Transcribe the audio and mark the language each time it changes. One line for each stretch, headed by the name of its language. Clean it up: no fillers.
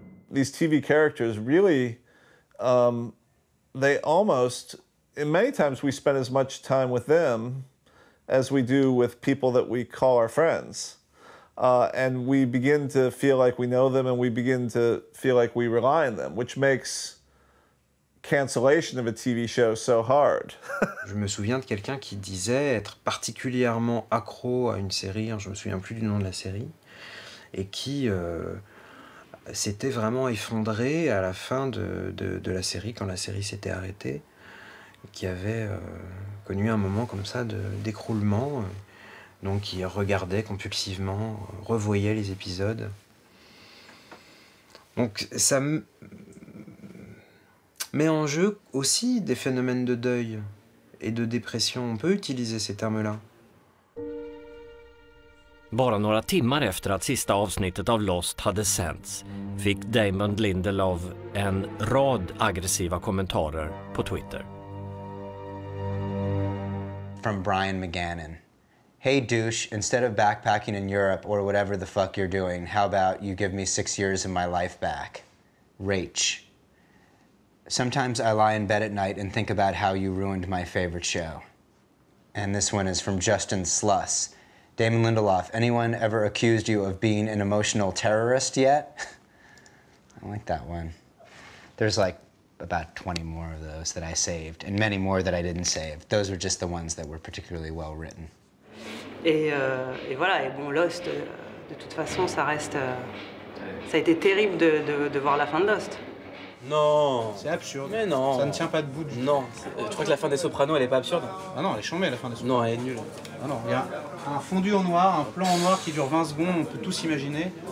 English: These TV characters really, they almost, in many times we spend as much time with them as we do with people that we call our friends. And we begin to feel like we know them and we begin to feel like we rely on them, which makes cancellation of a TV show so hard.
French: Je me souviens de quelqu'un qui disait être particulièrement accro à une série, je me souviens plus du nom de la série, et qui... s'était vraiment effondré à la fin de la série, quand la série s'était arrêtée, qui avait connu un moment comme ça d'écroulement, donc qui regardait compulsivement, revoyait les épisodes. Donc ça met en jeu aussi des phénomènes de deuil et de dépression. On peut utiliser ces termes-là.
Swedish: Bara några timmar efter att sista avsnittet av Lost hade sänts fick Damon Lindelof en rad aggressiva kommentarer på Twitter.
English: From Brian McGannon. Hey douche, instead of backpacking in Europe or whatever the fuck you're doing, how about you give me 6 years of my life back? Rach. Sometimes I lie in bed at night and think about how you ruined my favorite show. And this one is from Justin Sluss. Damon Lindelof, anyone ever accused you of being an emotional terrorist yet? I like that one. There's like about 20 more of those that I saved, and many more that I didn't save. Those were just the ones that were particularly well written.
French: Et voilà, et bon, Lost, de toute façon, ça reste... ça a été terrible de voir la fin de Lost. Non. C'est absurde. Mais non. Ça ne tient pas debout du tout. Non. Tu crois que la fin des Sopranos, elle n'est pas absurde? Ah non, elle est chambée, la fin des Sopranos. Non, elle est nulle. Ah non, il y a un fondu en noir, un plan en noir qui dure 20 secondes, on peut tous imaginer.